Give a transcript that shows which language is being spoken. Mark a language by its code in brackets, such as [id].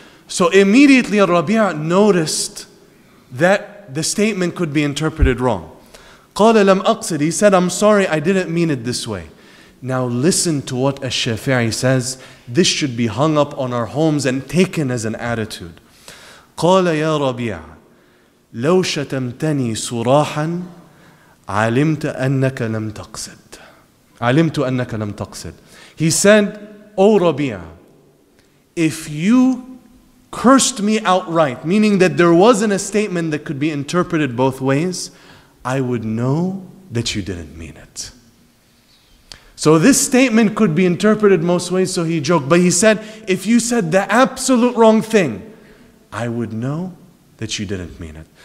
[en] So immediately Rabi'a noticed that the statement could be interpreted wrong. [ar] قَالَ لَمْ أَقْصِدِ. [en] He said, I'm sorry, I didn't mean it this way. Now listen to what Ash-Shafi'i says. This should be hung up on our homes and taken as an attitude. [ar] قَالَ يَا رَبِيعَ لَوْ شَتَمْتَنِي سُرَاحًا عَلِمْتَ أَنَّكَ لَمْ تَقْصِدْ عَلِمْتُ أَنَّكَ لَمْ تَقْصِدْ. [en] He said, O Rabi'a, if you cursed me outright, meaning that there wasn't a statement that could be interpreted both ways, I would know that you didn't mean it. So this statement could be interpreted most ways, so he joked. But he said, if you said the absolute wrong thing, I would know that you didn't mean it.